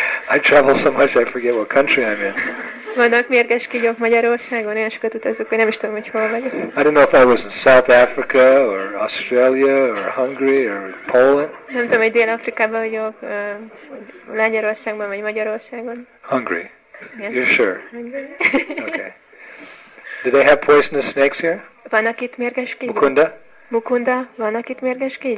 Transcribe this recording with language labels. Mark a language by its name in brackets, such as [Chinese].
[English] I travel so much I forget what country I'm in. [Hungarian] Vannak mérges kígyók Magyarországon, én sokat utazok, hogy nem is tudom, hogy hol vagyok. [English] I don't know if I was in South Africa or Australia or Hungary or Poland. [Hungarian] Nem tudom, hogy Dél-Afrikában vagyok, Lengyelországban vagy Magyarországon. [English] Hungary. Yeah. You're sure? Hungary. Okay. Do they have poisonous snakes here? [Hungarian] Vannak itt mérges kígyók? [English] Mukunda? [Hungarian] Mukunda, vannak itt mérges kígyók?